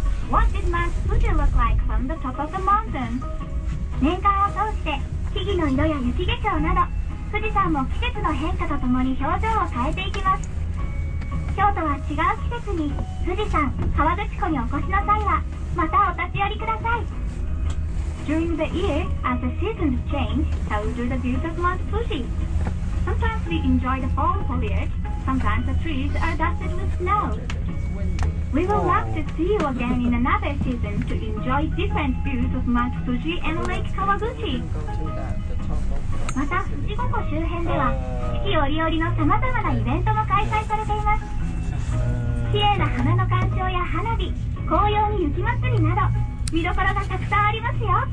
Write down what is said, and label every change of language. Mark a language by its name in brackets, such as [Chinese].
[English] What did Mount Fuji look like from the top of the mountain? [Japanese] 年間を通して木々の色や雪化粧など、富士山も季節の変化とともに表情を変えていきます。京都は違う季節に富士山、河口湖にお越しの際はまたお立ち寄りください。 [English] During the year, as the seasons change, so do the views of Mount Fuji. Sometimes we enjoy the fall foliageSometimes the trees are dusted with snow. We will love to see you again in another season to enjoy different views of Mount Fuji and Lake Kawaguchi. [Japanese] また、富士五湖周辺では四季折々のさまざまなイベントも開催されています。綺麗な花の鑑賞や花火、紅葉に雪まつりなど見どころがたくさんありますよ。